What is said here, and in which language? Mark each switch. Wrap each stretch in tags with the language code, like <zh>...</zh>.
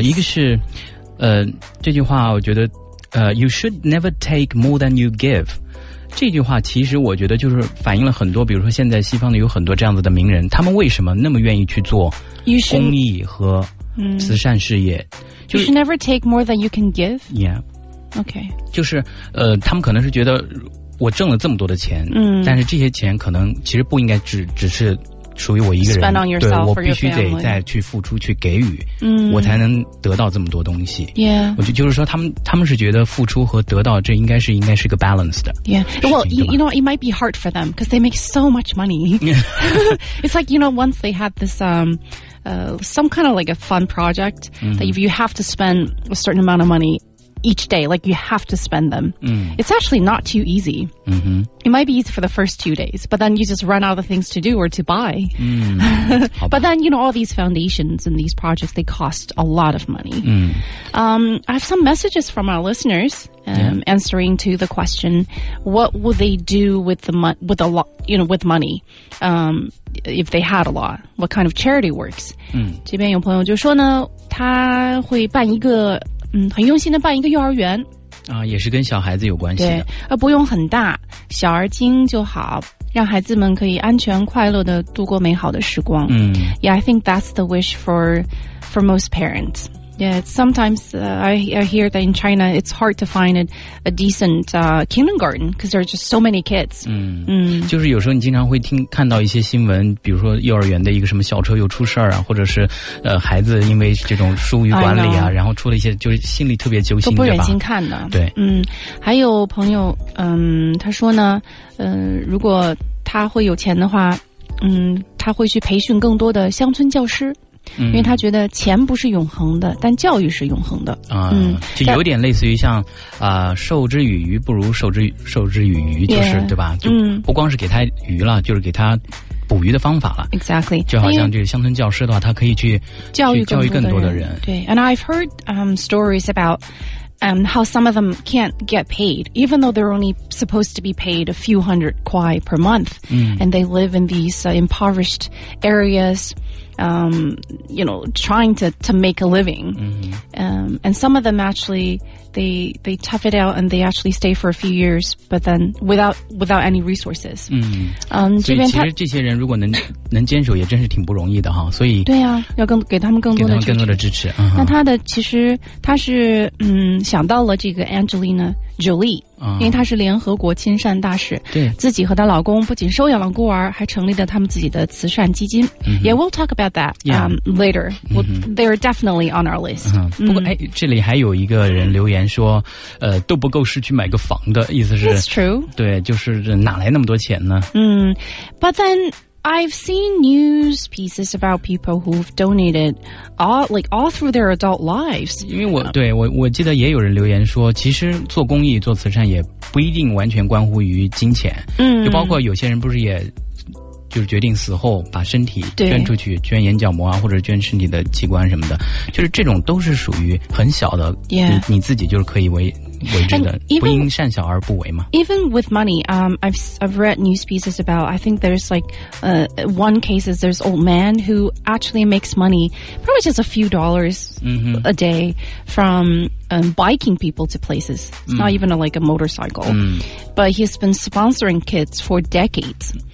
<zh>一个是这句话，我觉得</zh> <en>You should never take more than you give。</en> <zh>这句话其实我觉得就是反映了很多，比如说现在西方的有很多这样子的名人，他们为什么那么愿意去做公益和慈善事业？</zh> <en>You should never take more than you can give. Yeah. Okay.</en> <zh>就是他们可能是觉得我挣了这么多的钱，但是这些钱可能其实不应该只是属于我一个人，</zh> <en>Spend on yourself,</en> <zh>对，我必须得再去付出去给予，我才能得到这么多东西。</zh> <en>Yeah.</en> <zh>我就是说他们是觉得付出和得到这应该是个 balance 的。</zh> <en>Yeah. Well, you know, it might be hard for them because they make so much money. Yeah. It's like, you know, once they have this some kind of like a fun project, that if you have to spend a certain amount of money each day, like you have to spend them. It's actually not too easy. It might be easy for the first 2 days, but then you just run out of things to do or to buy. But then, you know, all these foundations and these projects, they cost a lot of money. I have some messages from our listeners answering to the question, what would they do with the with money if they had a lot? What kind of charity works?</en> <zh>这边有朋友就说呢，他会办一个很用心的办一个幼儿园啊，也是跟小孩子有关系的，不用很大，小而精就好，让孩子们可以安全快乐的度过美好的时光。</zh> <en>Yeah, I think that's the wish for most parents. Yeah, sometimes I hear that in China it's hard to find a decent kindergarten because there are just so many kids.</en> <zh>就是有时候你经常会看到一些新闻，比如说幼儿园的一个什么校车又出事儿啊，或者是孩子因为这种疏于管理啊，然后出了一些就是心里特别揪心，都不忍心看的。对，还有朋友，他说呢，如果他会有钱的话，他会去培训更多的乡村教师。因为他觉得钱不是永恒的，但教育是永恒的。就有点类似于像授之以鱼不如授之以渔，就是</zh> <en>yeah,</en> <zh>对吧，就不光是给他鱼了，就是给他捕鱼的方法了。</zh> <en>Exactly.</en> <zh>就好像这个乡村教师的话，他可以去教育更多的人。</zh> <en>对， and I've heard stories abouthow some of them can't get paid, even though they're only supposed to be paid a few hundred kwai per month, and they live in these impoverished areas, you know, trying to make a living. And some of them actually, they tough it out and they actually stay for a few years, but then without any resources.</en> <zh>所以其实这些人如果能坚守也真是挺不容易的哈，所以对啊，要给他们更多的支持。那他的其实他是想到了这个 Angelina Jolie，因为他是联合国亲善大使，对，自己和他老公不仅收养了孤儿，还成立了他们自己的慈善基金。</zh> <en>Yeah, we'll talk about that later. They are definitely on our list.</en> <zh>不过哎，这里还有一个人留言说，都不够市区买个房的，意思是</zh> <en>That's true.</en> <zh>对，就是哪来那么多钱呢？</zh> <en>But then I've seen news pieces about people who've donated all through their adult lives.</en> <zh>因为我记得也有人留言说，其实做公益做慈善也不一定完全关乎于金钱。就包括有些人不是也就是决定死后把身体捐出去，捐眼角膜啊，或者捐身体的器官什么的，就是这种都是属于很小的，</zh> <en>yeah.</en> <zh>你自己就是可以为之的，不因善小而不为嘛。</zh> <en>Even with money, I've read news pieces about. I think there's like, one case is there's old man who actually makes money, probably just a few dollars a day from biking people to places. It's not even like a motorcycle, but he's been sponsoring kids for decades.</en>